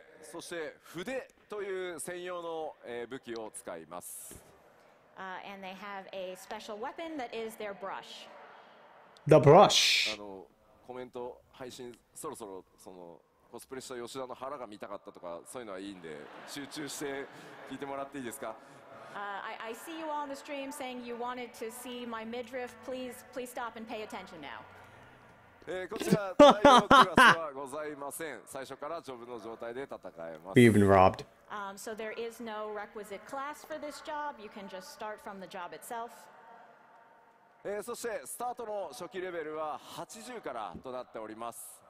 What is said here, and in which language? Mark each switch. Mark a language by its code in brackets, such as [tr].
[ja] そして筆という専用の、武器を使います。 [en] And they have a special weapon that is their brush. The brush. [ja] あのコメント配信そろそろそのコスプレした吉田の腹が見たかったとかそういうのはいいんで集中して聞いてもらっていいですか？ [en] I see you all on the stream saying you wanted to see my midriff. Please stop and pay attention now. You've been robbed. So there is no requisite class for this job. You can just start from the job itself. [ja] そしてスタートの初期レベルは80からとなっております。